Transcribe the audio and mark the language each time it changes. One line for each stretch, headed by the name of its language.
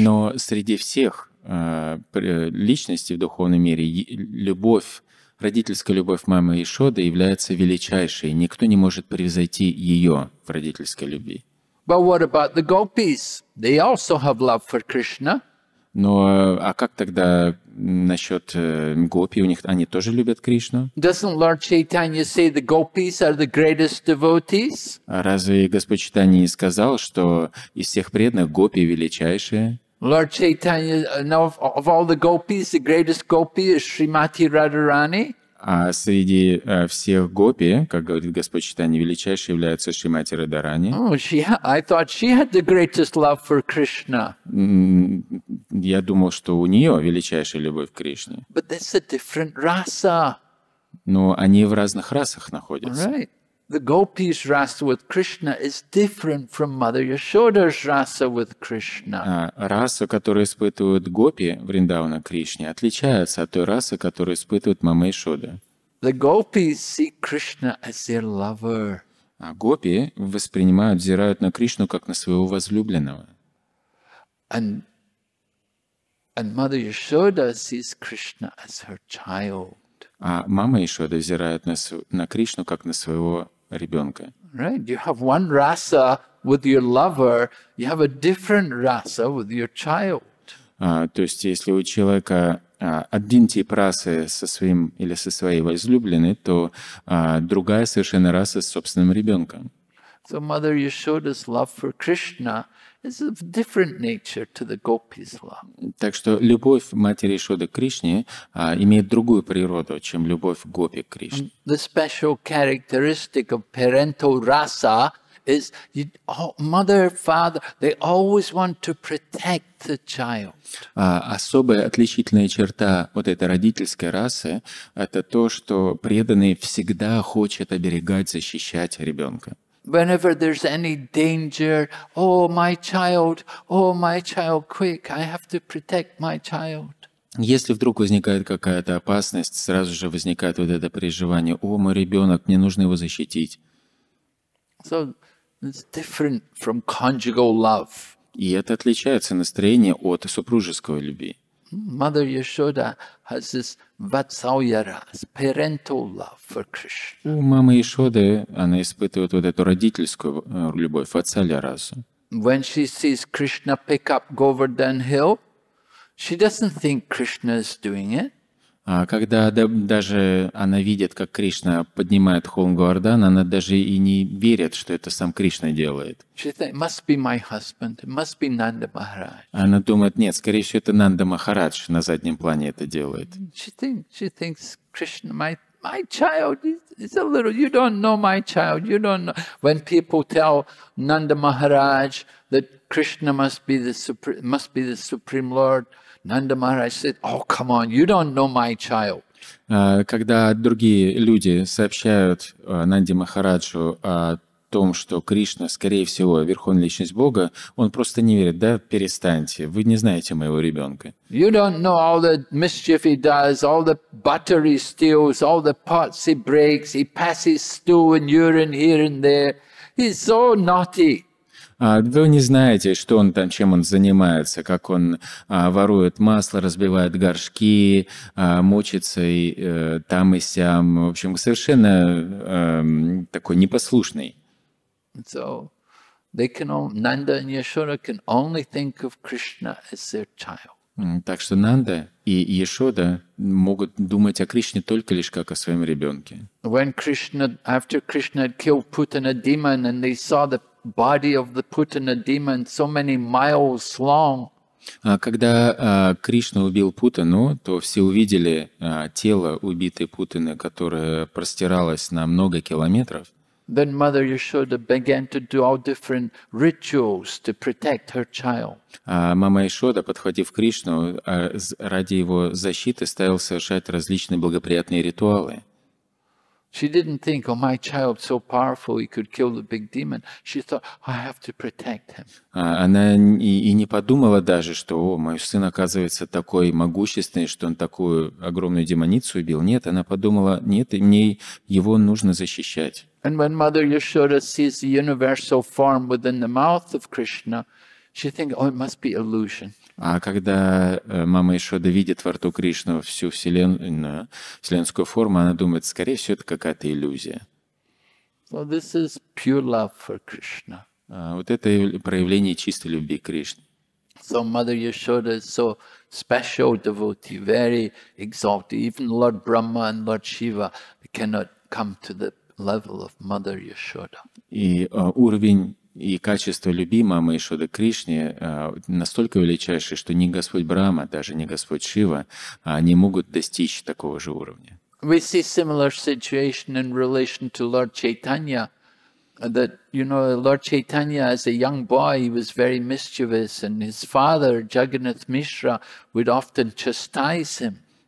Russian: Но среди всех личностей в духовном мире любовь, родительская любовь мамы Яшоды является величайшей. Никто не может превзойти ее в родительской любви.
English: But what about the gopis? They also have love for Krishna.
Russian: Но а как тогда насчет гопи? У них они тоже любят Кришну?
English: Doesn't Lord Chaitanya say the gopis are the greatest devotees?
Russian: А разве Господь Чайтанья не сказал, что из всех преданных гопи величайшие?
English: Lord Chaitanya, now of all the gopis, the greatest gopi is Srimati Radharani.
Russian: А среди всех гопи, как говорит Господь Чайтанья, величайшей является Шримати Радарани.
English: I thought she had the greatest love for Krishna.
Russian: Я думал, что у нее величайшая любовь к Кришне.
English: But that's a different rasa.
Russian: Но они в разных расах находятся.
English: Right. The gopi's rasa with Krishna is different from Mother Yashoda's rasa with Krishna.
Russian: Раса, которую испытывают гопи Вриндавана Кришне, отличается от той расы, которую испытывает мама Яшода.
English: The gopis see Krishna as their lover.
Russian: А гопи воспринимают, взирают на Кришну как на своего возлюбленного.
English: And Mother Yashoda sees Krishna as her child.
Russian: А мама Яшода взирает на Кришну как на своего ребенка.
English: Right, you have one rasa with your lover, you have a different rasa with your child.
Russian: То есть, если у человека один тип расы со своим или со своей возлюбленной, то другая совершенно раса с собственным ребенком.
English: So Mother Yashoda's love for Krishna is of different nature to the gopis' love.
Russian: Так что любовь матери Яшоды к Кришне имеет другую природу, чем любовь гопи к Кришне.
English: And the special characteristic of parental rasa is mother, father, they always want to protect the child.
Russian: Особая отличительная черта вот этой родительской расы – это то, что преданный всегда хочет оберегать, защищать ребенка.
English: Whenever there's any danger, oh my child, quick, I have to protect my child.
Russian: Если вдруг возникает какая-то опасность, сразу же возникает вот это переживание, о, мой ребенок, мне нужно его защитить.
English: So it's different from conjugal love.
Russian: И это отличается настроение от супружеской любви.
English: Mother Yashoda has this vatsalya rasa, parental love for Krishna.
Russian: У мамы Яшоды она испытывает вот эту родительскую любовь, vatsalya rasa.
English: When she sees Krishna pick up Govardhan Hill, she doesn't think Krishna is doing it.
Russian: А когда даже она видит, как Кришна поднимает холм Говардхан, она даже и не верит, что это сам Кришна делает.
English: She thinks, must be my husband, must be Nanda Maharaj.
Russian: Она думает, нет, скорее всего, это Нанда Махарадж на заднем плане это делает.
English: She thinks Krishna, my child, it's a little, you don't know my child, you don't know. When people tell Nanda Maharaj that Krishna must be the Supreme Lord, Nanda Maharaj said, oh, come on, you don't know my child.
Russian: Когда другие люди сообщают Нанде Махараджу о том, что Кришна, скорее всего, верховная личность Бога, он просто не верит. Да, перестаньте, вы не знаете моего ребенка.
English: You don't know all the mischief he does, all the butter he steals, all the pots he breaks, he passes stool and urine here and there. He's so naughty.
Russian: Вы не знаете, что он там, чем он занимается, как он ворует масло, разбивает горшки, мучится и там и сям. В общем, совершенно такой непослушный.
English: So they can all, Nanda and Yashoda can only think of Krishna as their child.
Russian: Так что Нанда и Яшода могут думать о Кришне только лишь как о своем ребенке.
English: When Krishna, after Krishna had killed Putana demon and they saw the body of the Putana demon so many miles long.
Russian: Когда Кришна убил Путану, то все увидели тело убитой Путаны, которое простиралось на много километров.
English: Then Mother Yashoda began to do all different rituals to protect her child.
Russian: Мама Яшода, подхватив Кришну, ради его защиты стала совершать различные благоприятные ритуалы.
English: She didn't think, oh, my child so powerful, he could kill the big demon. She thought, I have to protect him.
Russian: Она и не подумала даже, что, о, мой сын оказывается такой могущественный, что он такую огромную демоницу убил. Нет, она подумала, нет, мне его нужно защищать.
English: And when Mother Yashoda sees the universal form within the mouth of Krishna, she thinks, oh, it must be illusion.
Russian: А когда мама Яшода видит во рту Кришну всю вселенскую форму, она думает, скорее всего, это какая-то иллюзия.
English: So this is pure love for Krishna.
Russian: Вот это проявление чистой любви к Кришне.
English: So Mother Yashoda is so special devotee, very exalted. Even Lord Brahma and Lord Shiva cannot come to the level of Mother Yashoda.
Russian: И уровень и качество любви мамы Яшоды Кришне настолько величайшее, что ни Господь Брама, даже ни Господь Шива не могут достичь такого же уровня.
English: We see similar situation in relation to Lord Chaitanya, that, you know, Lord Chaitanya as a young boy, he was very mischievous, and his father, Jagannath Mishra, would often chastise him.